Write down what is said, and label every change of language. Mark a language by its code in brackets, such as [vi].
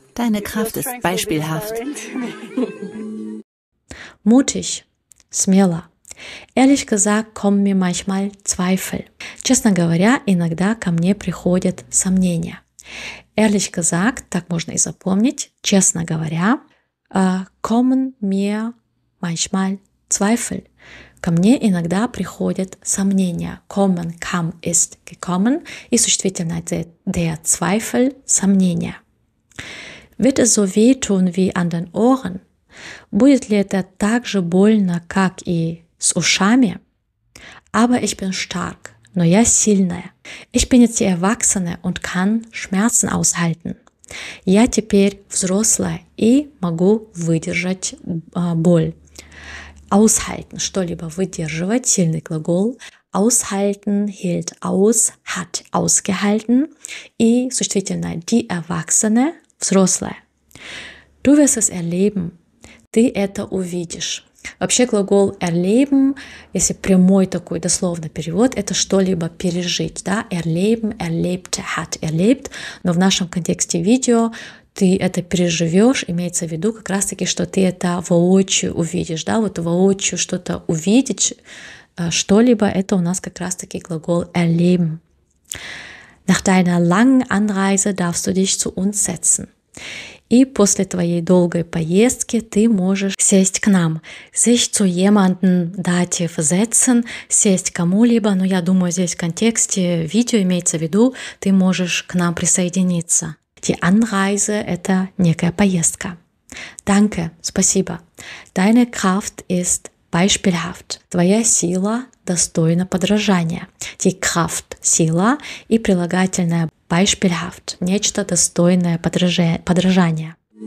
[de] Deine Kraft ist beispielhaft. Mutig. [ru] Смело. [de] Ehrlich gesagt kommen mir manchmal Zweifel. [ru] Честно говоря, иногда ко мне приходят сомнения. [de] Ehrlich gesagt, [ru] так можно и запомнить, честно говоря, [de] kommen mir manchmal Zweifel. [ru] Ко мне иногда приходят сомнения. [de] Kommen, come, ist, gekommen. [ru] И существительное der Zweifel, сомнения. [de] Wird es so wehtun wie an den Ohren? [ru] Будет ли это так же больно, как и с ушами? [de] Aber ich bin stark. [ru] Но я сильная. [de] Ich bin jetzt erwachsene und kann Schmerzen aushalten. [ru] Я теперь взрослая и могу выдержать боль. Aushalten – что-либо выдерживать, сильный глагол. [de] Aushalten – hält aus, hat ausgehalten. [ru] И существительное – die erwachsene – взрослая. [de] Du wirst es erleben. [ru] Ты это увидишь. Вообще глагол erleben, если прямой такой дословный перевод, это что-либо пережить, да? Erleben, erlebt, hat erlebt. Но в нашем контексте видео ты это переживешь, имеется в виду как раз-таки, что ты это воочию увидишь, да? Вот воочию что-то увидеть, что-либо, это у нас как раз-таки глагол erleben. [de] Nach deiner langen Anreise darfst du dich zu uns setzen. [ru] И после твоей долгой поездки ты можешь сесть к нам. [de] Sich zu jemanden, dativ setzen, [ru] сесть кому-либо. Но я думаю, здесь в контексте видео имеется в виду, ты можешь к нам присоединиться. Die Anreise – это некая поездка. [de] Danke, [ru] спасибо. [de] Deine Kraft ist beispielhaft. [ru] Твоя сила достойна подражания. Die Kraft – сила и прилагательное – beispielhaft – нечто достойное подражания.